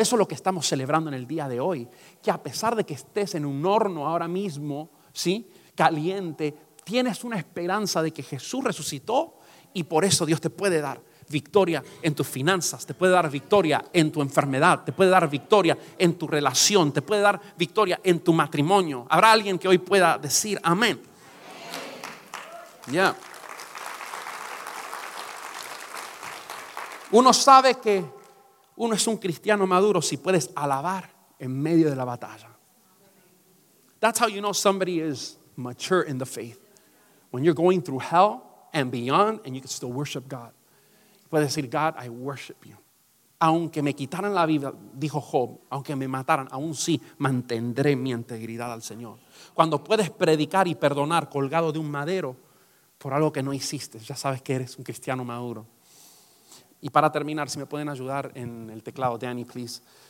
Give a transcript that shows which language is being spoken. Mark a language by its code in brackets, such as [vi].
[es] Eso es lo que estamos celebrando en el día de hoy. Que a pesar de que estés en un horno ahora mismo, ¿sí?, caliente, tienes una esperanza de que Jesús resucitó y por eso Dios te puede dar victoria en tus finanzas, te puede dar victoria en tu enfermedad, te puede dar victoria en tu relación, te puede dar victoria en tu matrimonio. ¿Habrá alguien que hoy pueda decir amén? Ya. Yeah. Uno sabe que uno es un cristiano maduro si puedes alabar en medio de la batalla. [en] That's how you know somebody is mature in the faith. When you're going through hell and beyond and you can still worship God. [es] Puedes decir, [en] God, I worship you. [es] Aunque me quitaran la vida, dijo Job, aunque me mataran, aún sí mantendré mi integridad al Señor. Cuando puedes predicar y perdonar colgado de un madero por algo que no hiciste, ya sabes que eres un cristiano maduro. Y para terminar, si me pueden ayudar en el teclado, Danny, please.